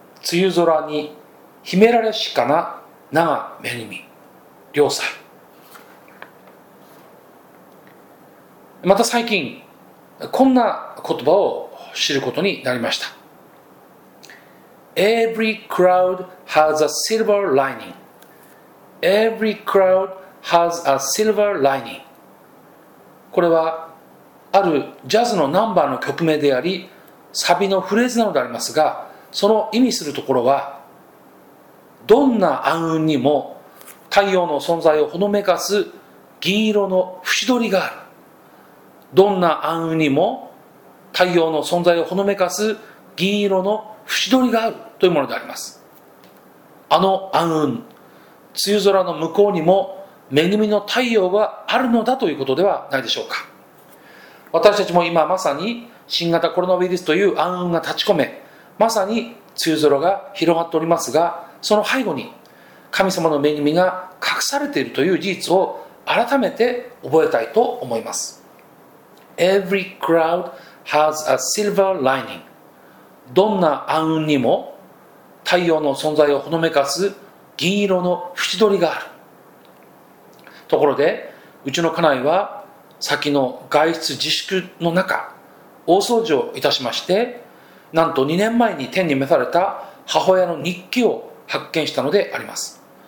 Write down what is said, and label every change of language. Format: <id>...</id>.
<ja>梅雨空に秘められしかな長恵み良妻。また最近こんな言葉を知ることになりました。</ja> <en>Every cloud has a silver lining. Every cloud has a silver lining.</en> <ja>これはあるジャズのナンバーの曲名であり、サビのフレーズなのでありますが、その意味するところは、どんな暗雲にも太陽の存在をほのめかす銀色の縁取りがある。どんな暗雲にも太陽の存在をほのめかす銀色の縁取りがあるというものであります。あの暗雲、梅雨空の向こうにも恵みの太陽があるのだということではないでしょうか。私たちも今まさに新型コロナウイルスという暗雲が立ち込め、まさに梅雨空が広がっておりますが、その背後に神様の恵みが隠されているという事実を改めて覚えたいと思います。</ja> <en>Every cloud has a silver lining.</en> <ja>どんな暗雲にも太陽の存在をほのめかす銀色の縁取りがある。ところでうちの家内は先の外出自粛の中、大掃除をいたしまして、なんと2年前に天に召された母親の日記を発見したのであります。</ja>